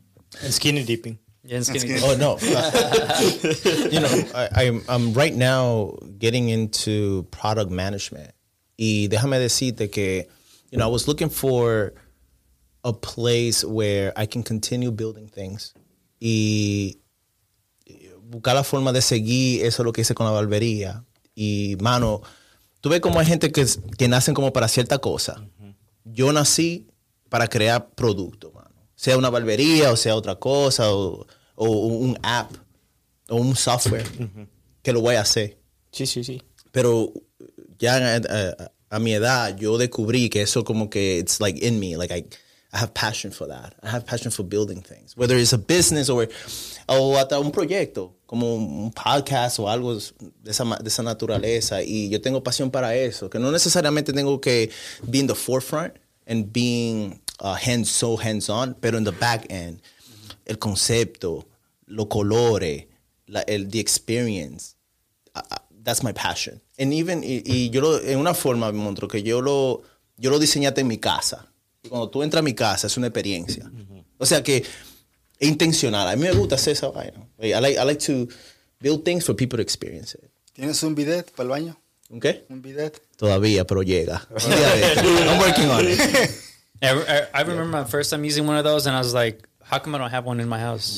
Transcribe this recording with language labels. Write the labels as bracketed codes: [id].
[en] skinny dipping? Yeah, skinny dipping. Oh, no. You know, I'm right now getting into product management. [es] Y déjame decirte que... [en] you know, I was looking for a place where I can continue building things. [es] Y buscar la forma de seguir eso lo que hice con la barbería. Y, mano, tú ves cómo hay gente que nacen como para cierta cosa. Yo nací para crear producto, mano. Sea una barbería o sea otra cosa o un app o un software que lo voy a hacer. Sí, sí, sí. Pero ya a mi edad yo descubrí que eso como que [en] it's like in me, like I have passion for that. I have passion for building things, whether it's a business or [es] hasta un proyecto, como un podcast o algo de esa naturaleza. Y yo tengo pasión para eso, que no necesariamente tengo que [en] be in the forefront and being hands-on, [es] pero [en] in the back end, [es] el concepto, los colores, [en] the experience, that's my passion. And even, [es] y yo lo, en una forma me mostró que yo lo diseñé en mi casa. Cuando tú entras a mi casa, es una experiencia. O sea que, es intencional. A mí me gusta hacer esa vaina. [en] I like to build things for people to experience it. [es] ¿Tienes un bidet para el baño? ¿Un qué? Un bidet. Todavía, pero llega. [en] I'm working on it. I remember my first time using one of those, and I was like, how come I don't have one in my house?